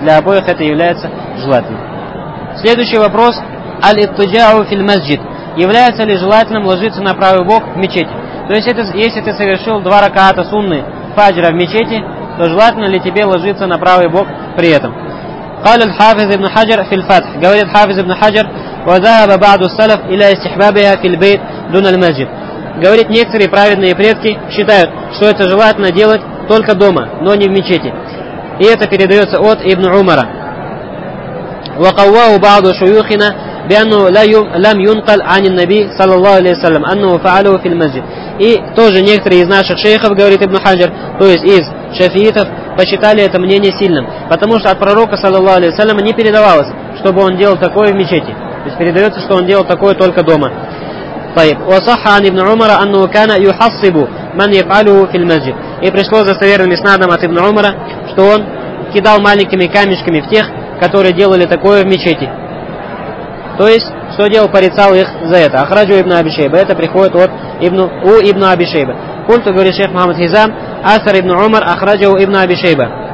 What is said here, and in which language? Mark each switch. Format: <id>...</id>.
<ru>Для обоих это является желательным. Следующий вопрос.</ru> <ar>Аль-Иттиджау филь масджид.</ar> <ru>Является ли желательным ложиться на правый бок в мечети? То есть, если ты совершил два ракаата сунны фаджра в мечети, то желательно ли тебе ложиться на правый бок при этом?</ru> <ar>Каля аль-Хафиз ибн Хаджар филь фатх.</ar> <ru>Говорит Хафиз ибн Хаджар,</ru> <ar>وَذَهَبَ بَعْدُ السَّلَفْ إِلَى إِسْتِحْبَابِهَا فِي الْبَيْتِ دُونَ الْمَسْجِدِ.</ar> <ru>Говорит, некоторые праведные предки считают, что это желательно делать только дома, но не в мечети. И это передается от Ибн Умара.</ru> <ar>وَقَوَّهُ بَعْدُ شُيُوخِنَا بِأَنُّهُ لَمْ يُنْقَلْ عَنِ النَّبِيِّ صَلَى اللَّهُ عَلَيْهِ وَسَلَّمَ أَنَّهُ فَعَلَهُ فِي الْمَسْجِدِ.</ar> <ru>И тоже некоторые из наших шейхов, говорит Ибн Хаджар, то есть из шафиитов, посчитали это мнение сильным, потому что от пророка, саллаллаху алейхи ва саллям, не передавалось, чтобы он делал такое в мечети. То есть передается, что он делал такое только дома.</ru> <ar>طيب. وصح عن ابن عمر أنه كان يحصب من يفعله في المسجد.</ar> <ru>И пришло за достоверным иснадом от ибн Умара, что он кидал маленькими камешками в тех, которые делали такое в мечети. То есть, что делал, порицал их за это.</ru> <ar>Ахраджу ибн Аби Шейба.</ar> <ru>Это приходит от ибн Аби Шейба. Культу, говорит шейх Мухаммад Хизам,</ru> <ar>асар ибн Умар ахраджу ибн Аби Шейба.</ar>